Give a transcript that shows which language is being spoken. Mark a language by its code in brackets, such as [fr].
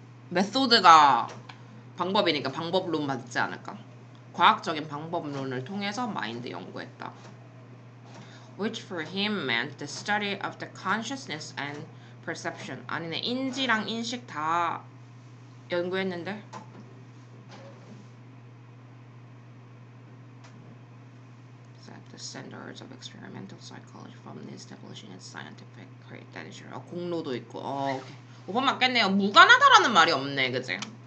[ko] 메소드가 방법이니까 방법론 맞지 않을까? 과학적인 방법론을 통해서 마인드 연구했다. [en] Which for him meant the study of the consciousness and perception. [ko] 아니네, 인지랑 인식 다 연구했는데. [en] 'The standards of experimental psychology from establishing its scientific credentials.' [ko] 어, 공로도 있고. 어, 오케이. 5번 맞겠네요. 무관하다라는 말이 없네, 그지?